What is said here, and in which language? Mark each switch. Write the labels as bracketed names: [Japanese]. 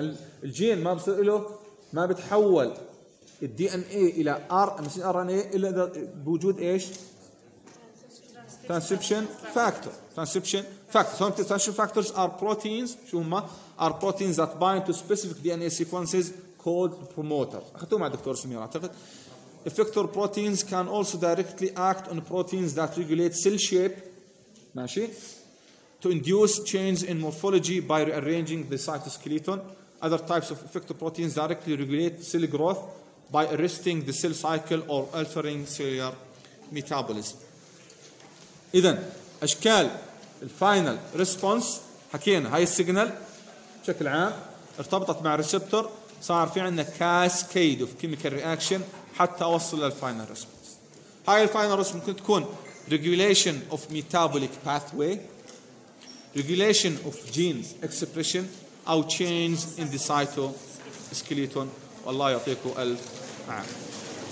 [Arabic] يعني الجين ما بصير له ما بتحول ال DNA إلى RNA إلا إذا بوجود إيش transcription factors. [English] So transcription factors are proteins، [Arabic] شو هما؟ [English] are proteins that bind to specific DNA sequences called promoter. [Arabic] أخذتوا مع دكتور سمير أعتقد. [English] Effector proteins can also directly act on proteins that regulate cell shape. [Arabic] ماشي. [English] To induce change in morphology by rearranging the cytoskeleton. Other types of effector proteins directly regulate cell growth by arresting the cell cycle or altering cellular metabolism. [Arabic] إذن أشكال الفاينل response حكينا هاي السيجنال بشكل عام ارتبطت مع ريسبتور، صار في عندنا [English] cascade of chemical reaction [Arabic] حتى أوصل للفاينل ريسبونس. هاي الفاينل ريسبونس ممكن تكون [English] regulation of metabolic pathway، regulation of genes expression أو change in the cytoskeleton. [Arabic] والله يعطيكم ألف عافية.